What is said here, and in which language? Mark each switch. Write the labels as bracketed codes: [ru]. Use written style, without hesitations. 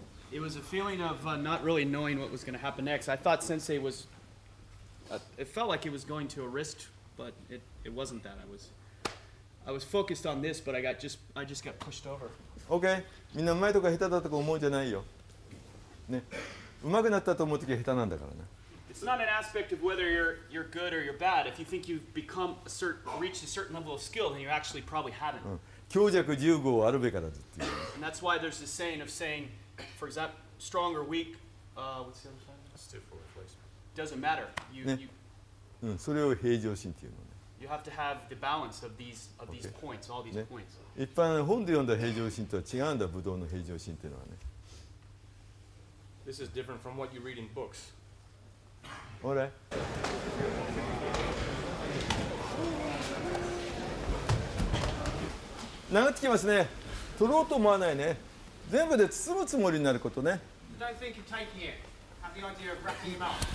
[en] It was a feeling of not really knowing what was going to happen next. I thought Sensei was. It felt like it was going to a wrist, but it wasn't that. I was focused on this, but I just got pushed over. Okay. [ja] みんな上手いとか下手だとか思うじゃないよ。ね。上手くなったと思うときは下手なんだからね。 [en] It's not an aspect of whether you're good or you're bad. If you think you've become a reached a certain level of skill, then you actually probably haven't. [ja] 強弱十五あるべからずっていう。 [en] And that's why there's this saying of saying, for example, strong or weak. What's the other saying? Stiff or flexible. Doesn't matter. [ja] You, ね、うん、それを平常心っていうのね。 [en] You have to have the balance of these of these、okay. points, all these、ね、points. [ja] 一般本で読んだ平常心とは違うんだ、武道の平常心っていうのはね。 [en] This is different from what you read in books. [ja] ほら。殴ってきますね。取ろうと思わないね。全部で包むつもりになることね。 [en] I don't think you're taking it. Have the idea of wrapping him up.